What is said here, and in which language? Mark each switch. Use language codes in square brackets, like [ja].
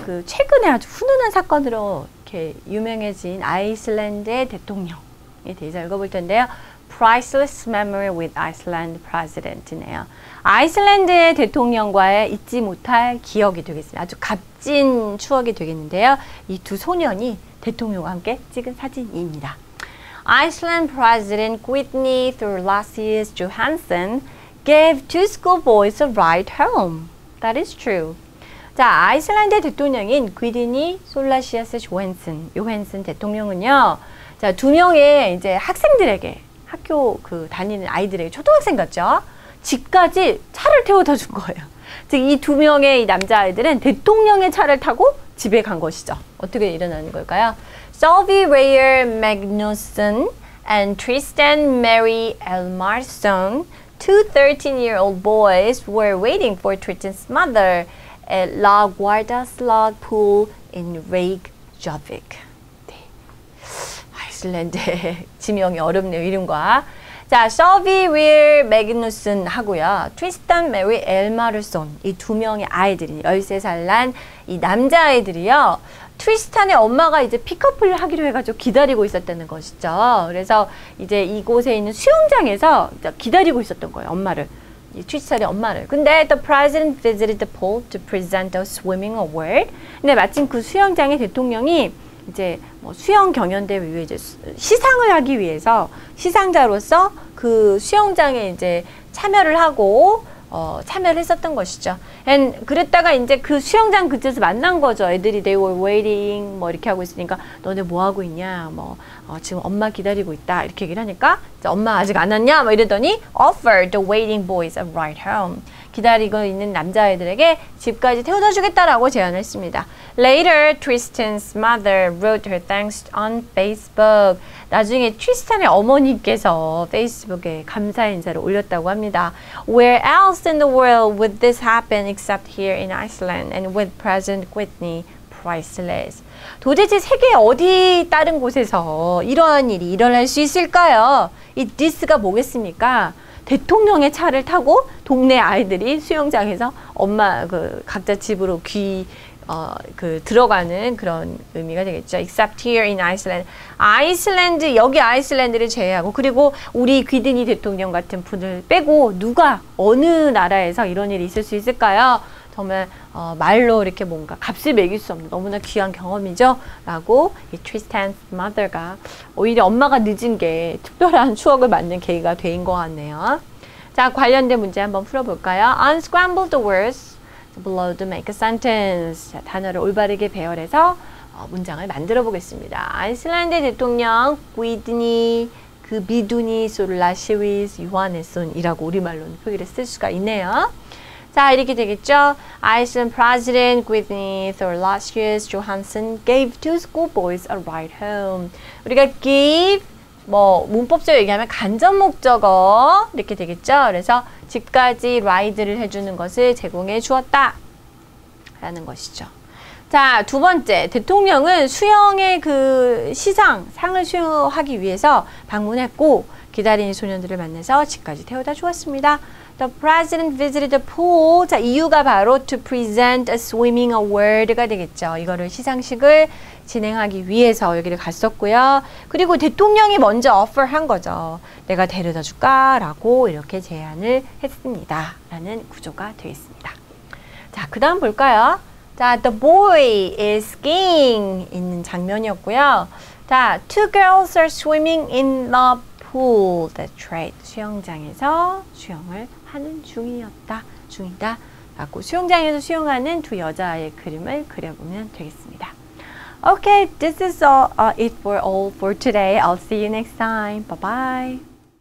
[ko] 그 최근에 아주 훈훈한 사건으로 이렇게 유명해진 아이슬란드의 대통령에 대해서 읽어볼 텐데요. [en] Priceless Memory with Iceland President이네요. [ko] 아이슬란드의 대통령과의 잊지 못할 기억이 되겠습니다. 아주 값진 추억이 되겠는데요. 이 두 소년이 대통령과 함께 찍은 사진입니다. [en] Iceland President Guðni Thorlacius Johansson gave two schoolboys a ride home. That is true. [ko] 자, 아이슬란드 대통령인 귀디니 솔라시아스 요헨슨 대통령은요, 자, 두 명의 이제 학생들에게, 학교 그 다니는 아이들에게, 초등학생 같죠? 집까지 차를 태워다 준 거예요. 즉, 이 두 명의 이 남자아이들은 대통령의 차를 타고 집에 간 것이죠. 어떻게 일어나는 걸까요? [en] Sylvie Reyer Magnusson and Tristan Mary Elmarsson, two 13-year-old boys, were waiting for Tristan's mother at La Guarda Slog Pool in Reykjavik. [ko] 네. 아이슬란드 지명이 어렵네요, 이름과. 자, Sylvie Reyer Magnusson 하고요. Tristan Mary Elmarsson, 이 두 명의 아이들이, 13살 난 이 남자아이들이요. 트리스탄의 엄마가 이제 픽업을 하기로 해가지고 기다리고 있었다는 것이죠. 그래서 이제 이곳에 있는 수영장에서 기다리고 있었던 거예요, 엄마를. 이 트리스탄의 엄마를. 근데 [en] the president visited the pool to present a swimming award. [ko] 근데 마침 그 수영장의 대통령이 이제 뭐 수영 경연대회 위해 이제 시상을 하기 위해서 시상자로서 그 수영장에 이제 참여를 하고 참여를 했었던 것이죠. And 그랬다가 이제 그 수영장 근처에서 만난 거죠. 애들이 [en] they were waiting [ko] 뭐 이렇게 하고 있으니까 너네 뭐 하고 있냐? 뭐 지금 엄마 기다리고 있다 이렇게 얘기를 하니까 이제 엄마 아직 안 왔냐? 뭐 이러더니 [en] offered the waiting boys a ride home. [ko] 기다리고 있는 남자애들에게 집까지 태워다 주겠다라고 제안했습니다. [en] Later, Tristan's mother wrote her thanks on Facebook. [ko] 나중에 트리스탄의 어머니께서 페이스북에 감사 인사를 올렸다고 합니다. [en] Where else in the world would this happen except here in Iceland and with President Guðni priceless? [ko] 도대체 세계 어디 다른 곳에서 이러한 일이 일어날 수 있을까요? 이 this가 뭐겠습니까? 대통령의 차를 타고 동네 아이들이 수영장에서 엄마 그 각자 집으로 그 들어가는 그런 의미가 되겠죠. [en] Except here in Iceland. [ko] 아이슬란드, 여기 아이슬란드를 제외하고 그리고 우리 귀디니 대통령 같은 분을 빼고 누가 어느 나라에서 이런 일이 있을 수 있을까요? 정말 말로 이렇게 뭔가 값을 매길 수 없는 너무나 귀한 경험이죠. 라고 이 Tristan's mother가 오히려 엄마가 늦은 게 특별한 추억을 만든 계기가 된 것 같네요. 자, 관련된 문제 한번 풀어볼까요? [en] Unscramble the words below to make a sentence. [ko] 자, 단어를 올바르게 배열해서 문장을 만들어 보겠습니다. 아이슬란드 대통령 귀디니 그 미두니 솔라시위스 요하네슨이라고 우리말로 표기를 쓸 수가 있네요. 자, 이렇게 되겠죠. [en] Iceland President Guðni Thorlacius Johansson gave two schoolboys a ride home. [ko] 우리가 gave 뭐 문법적으로 얘기하면 간접 목적어 이렇게 되겠죠. 그래서 집까지 라이드를 해주는 것을 제공해 주었다 라는 것이죠. 자, 두 번째, 대통령은 수영의 그 시상 상을 수여하기 위해서 방문했고 기다리는 소년들을 만나서 집까지 태워다 주었습니다. [en] The president visited the pool. [ko] 자, 이유가 바로 [en] to present a swimming award [ko] 가 되겠죠. 이거를 시상식을 진행하기 위해서 여기를 갔었고요. 그리고 대통령이 먼저 offer 한 거죠. 내가 데려다 줄까? 라고 이렇게 제안을 했습니다. 라는 구조가 되겠습니다. 자, 그 다음 볼까요? [en] 자, the boy is skiing [ko] 있는 장면이었고요. [en] 자, two girls are swimming in the pool. That's right. [ko] 수영장에서 수영을 하는 중이다. 라고 수영장에서 수영하는 두 여자의 그림을 그려보면 되겠습니다. [en] Okay, this is all, it for today. I'll see you next time. Bye-bye.